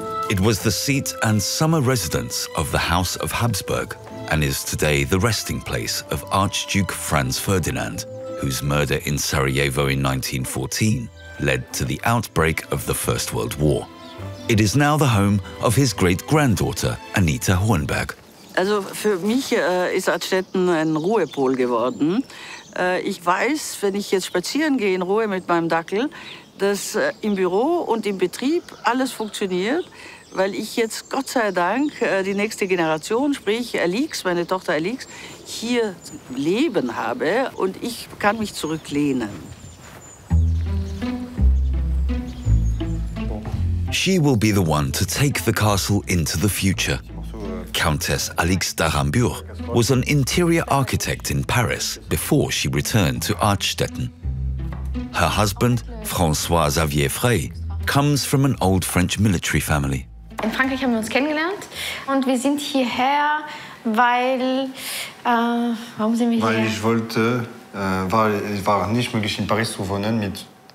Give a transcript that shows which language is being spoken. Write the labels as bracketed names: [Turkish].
[English] It was the seat and summer residence of the House of Habsburg and is today the resting place of Archduke Franz Ferdinand, whose murder in Sarajevo in 1914 led to the outbreak of the First World War. It is now the home of his great-granddaughter, Anita Hornberg. [German] Also für mich ist Archstetten ein Ruhepol geworden. Ich weiß, wenn ich jetzt spazieren gehe in Ruhe mit meinem Dackel, dass im Büro und im Betrieb alles funktioniert, weil ich jetzt Gott sei Dank die nächste Generation, sprich Alix, meine Tochter Alix, hier leben habe und ich kann mich zurücklehnen. [English] She will be the one to take the castle into the future. Countess Alix Daumbühl was an interior architect in Paris before she returned to Archstetten. Her husband, François Xavier Frey, comes from an old French military family. [German] In Frankreich haben wir uns kennengelernt und wir sind hierher, weil warum sind wir hier? Weil ich wollte, war nicht möglich in Paris zu wohnen mit